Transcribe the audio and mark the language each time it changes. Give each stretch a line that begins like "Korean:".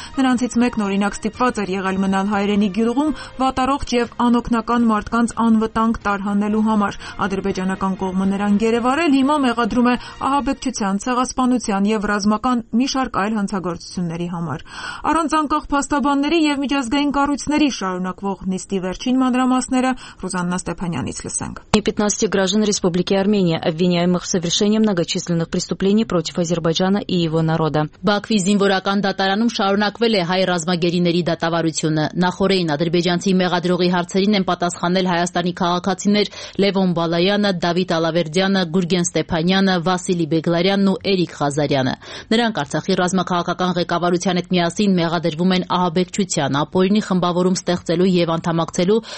Armenian: Նրանցից մեկն օրինակ ստիպված էր եղել մնալ հայերենի գյուղում վատառողջ և անօգնական մարդկանց անվտանգ տարհանելու համար։ Ադրբեջանական կողմը նրան գերեվարել, հիմա մեղադրում է ահաբեկչության, ցեղասպանության և ռազմական մի շարք այլ հանցագործությունների համար։ Կող փաստաբանների և միջազգային կառույցների շարունակվող նիստի վերջին մանրամասները Ռուզաննա Ստեփանյանից լսենք։
Russian: 15 граждан Республики Армения, обвиняемых в совершении многочисленных преступлений против Азербайджана и его народа.
Armenian: Բաքվի զինվորական դատարանում շարունակվել է հայ ռազմագերիների դատավարությունը։ Նախորդին ադրբեջանցի մեղադրողի հարցերին են պատասխանել հայաստանի քաղաքացիներ Լևոն Բալայանը, Դավիթ Ալավերդյանը, Գուրգեն Ստեփանյանը, Վասիլի Բեգլարյանն ու Էրիկ Ղազարյանը։ Նրանք Արցախի ռազմաքաղաքական ղեկավարության հետ միասին մեղադրվում են ահաբեկչության, ապօրինի խմբավորում ստեղծելու և անդամակցելու